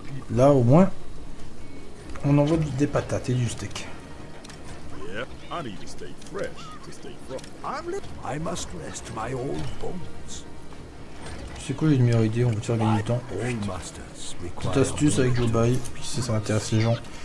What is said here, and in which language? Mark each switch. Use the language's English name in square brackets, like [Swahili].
[French] Là au moins, on envoie des patates et du steak. [English] Yeah, I need to stay fresh to stay from. I must rest my old bones. [French] C'est quoi, j'ai une meilleure idée, on veut faire gagner du temps. Petite astuce avec Joe Barry, si ça intéresse les gens.